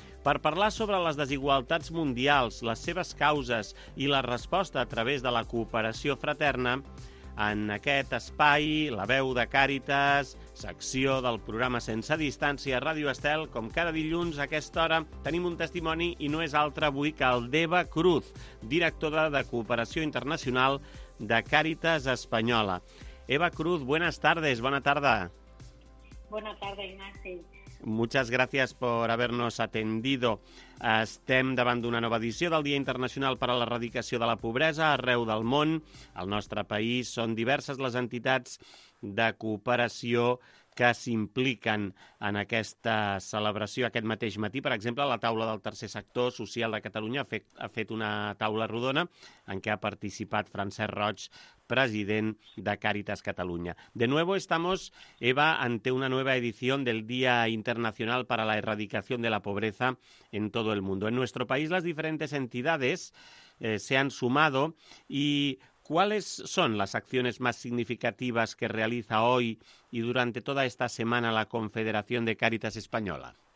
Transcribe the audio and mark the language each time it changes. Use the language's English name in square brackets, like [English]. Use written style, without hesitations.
[Catalan] Per parlar sobre les desigualtats mundials, les seves causes i la resposta a través de la cooperació fraterna, en aquest espai, la veu de Càritas, secció del programa Sense Distància, Ràdio Estel, com cada dilluns a aquesta hora, tenim un testimoni i no és altre avui que el d'Eva Cruz, directora de Cooperació Internacional de Càritas Espanyola. [Spanish] Eva Cruz, buenas tardes, [Catalan] bona tarda. Bona tarda, Ignasi. [Spanish] Muchas gracias por habernos atendido. [Catalan] Estem davant d'una nova edició del Dia Internacional per a l'Erradicació de la Pobresa arreu del món. Al nostre país són diverses les entitats de cooperació que s'impliquen en aquesta celebració. Aquest mateix matí, per exemple, la taula del tercer sector social de Catalunya ha fet una taula rodona en què ha participat Francesc Roig, president de Càritas Catalunya. [Spanish] De nuevo estamos, Eva, ante una nueva edición del Día Internacional para la Erradicación de la Pobreza en todo el mundo. En nuestro país las diferentes entidades se han sumado. ¿Y cuáles son las acciones más significativas que realiza hoy y durante toda esta semana la Confederación de Càritas Española?